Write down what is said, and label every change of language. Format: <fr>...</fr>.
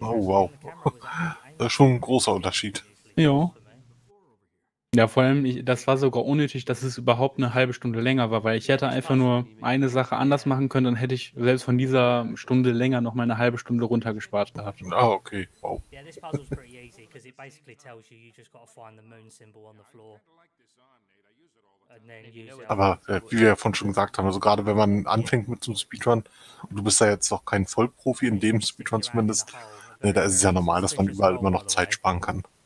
<de>Oh, wow. Das ist schon ein großer Unterschied. Ja. Ja, vor allem, das war sogar unnötig, dass es überhaupt eine halbe Stunde länger war, weil ich hätte einfach nur eine Sache anders machen können, dann hätte ich selbst von dieser Stunde länger noch mal eine halbe Stunde runtergespart gehabt. Ah, okay, wow.</de> <en>Yeah, this puzzle's pretty easy, because it basically tells you, you just gotta find the moon symbol on the floor.</en> <de>Aber wie wir ja vorhin schon gesagt haben, also gerade wenn man anfängt mit so einem Speedrun, und du bist ja jetzt noch kein Vollprofi in dem Speedrun zumindest, da ist es ja normal, dass man überall immer noch Zeit sparen kann.</de>